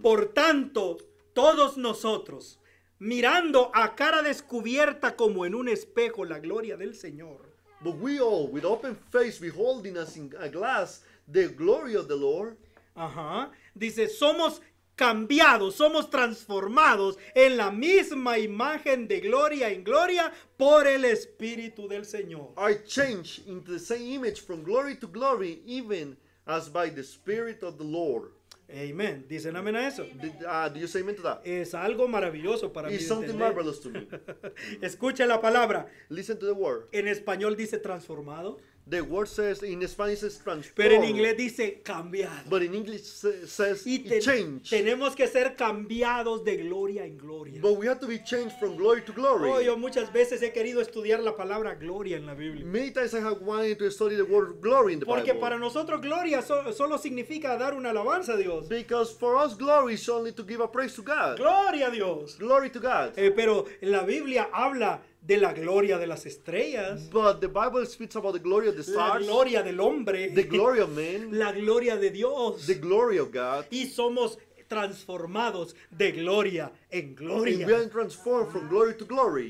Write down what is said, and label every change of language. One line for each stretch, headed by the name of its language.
Spanish: Por tanto, todos nosotros, mirando a cara descubierta como en un espejo la gloria del Señor.
English: But we all, with open face, beholding as in a glass the glory of the Lord.
Spanish: Dice, somos cambiados, somos transformados en la misma imagen de gloria en gloria por el Espíritu del Señor.
English: I change into the same image from glory to glory, even as by the Spirit of the Lord.
Spanish: Amen. ¿Dicen amén a eso?
English: Do you say amen to that?
Spanish: Es algo maravilloso para
English: it's
Spanish: mí.
English: It's something
Spanish: entender.
English: Marvelous to me.
Spanish: Escucha la palabra.
English: Listen to the word.
Spanish: En español dice transformado.
English: The word says, in Spanish it's transformed.
Spanish: Pero en inglés dice cambiado.
English: But in English says change.
Spanish: Tenemos que ser cambiados de gloria en gloria.
English: But we have to be changed from glory to glory.
Spanish: Oh, yo muchas veces he querido estudiar la palabra gloria en la Biblia.
English: Many times I have wanted to study the word glory in the
Spanish: porque
English: Bible.
Spanish: Para nosotros gloria solo significa dar una alabanza a Dios.
English: Because for us glory is only to give a praise to God.
Spanish: Gloria a Dios.
English: Glory to God.
Spanish: Pero la Biblia habla de la gloria de las estrellas.
English: But the Bible speaks about the glory of the stars.
Spanish: La gloria del hombre.
English: The glory of man.
Spanish: La gloria de Dios.
English: The glory of God.
Spanish: Y somos transformados de gloria en gloria.
English: And we are transformed from glory to glory.